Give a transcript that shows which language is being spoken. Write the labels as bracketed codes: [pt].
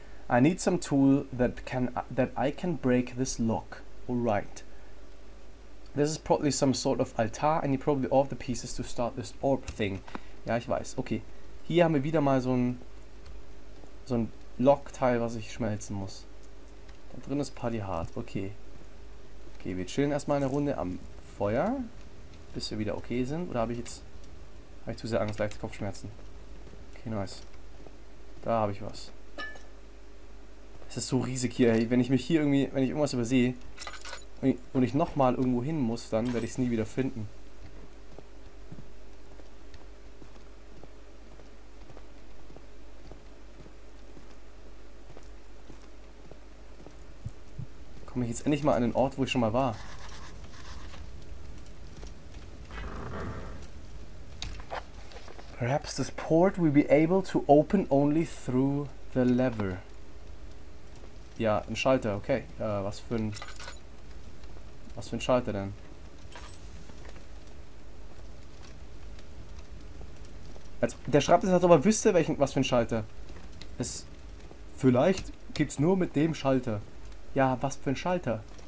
[en] I need some tool that I can break this lock. Alright. This is probably some sort of altar and you probably all the pieces to start this orb thing. [de] Ja, ich weiß. Okay. Hier haben wir wieder mal so ein Lockteil, was ich schmelzen muss. Da drin ist Paddy Hart. Okay. Okay, wir chillen erstmal eine Runde am Feuer. Bis wir wieder okay sind. Oder habe ich zu sehr Angst, leichte Kopfschmerzen. Okay, nice. Da habe ich was. Es ist so riesig hier. Ey. Wenn ich mich hier irgendwie, wenn ich irgendwas übersehe und ich nochmal irgendwo hin muss, dann werde ich es nie wieder finden. Komme ich jetzt endlich mal an den Ort, wo ich schon mal war? [en] Perhaps this port will be able to open only through the lever. [de] Ja, ein Schalter, okay. Was für ein Schalter denn? Also, der schreibt es, als ob er wüsste, was für ein Schalter. Es. Vielleicht geht's nur mit dem Schalter. Ja, was für ein Schalter?